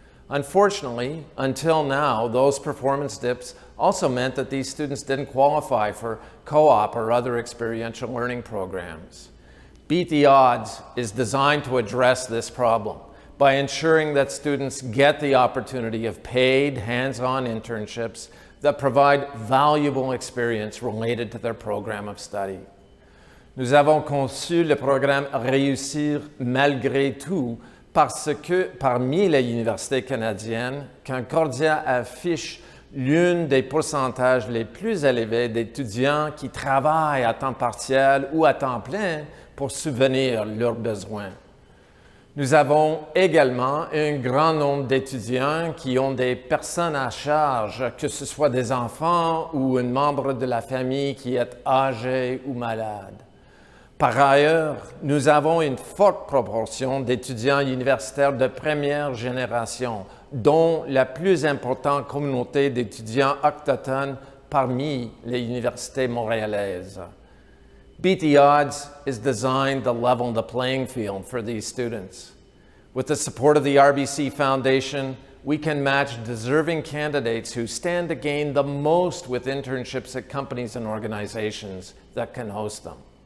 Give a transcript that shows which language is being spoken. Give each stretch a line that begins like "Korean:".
English: Unfortunately, until now, those performance dips also meant that these students didn't qualify for co-op or other experiential learning programs. Beat the Odds is designed to address this problem by ensuring that students get the opportunity of paid, hands-on internships that provide valuable experience related to their program of study.
French: Nous avons conçu le programme Réussir Malgré Tout parce que parmi les universités canadiennes, Concordia affiche l'un des pourcentages les plus élevés d'étudiants qui travaillent à temps partiel ou à temps plein pour subvenir leurs besoins. Nous avons également un grand nombre d'étudiants qui ont des personnes à charge, que ce soit des enfants ou un membre de la famille qui est âgé ou malade. Par ailleurs, nous avons une forte proportion d'étudiants universitaires de première génération, dont la plus importante communauté d'étudiants autochtones parmi les universités montréalaises.
English: Beat the Odds is designed to level the playing field for these students. With the support of the RBC Foundation, we can match deserving candidates who stand to gain the most with internships at companies and organizations that can host them.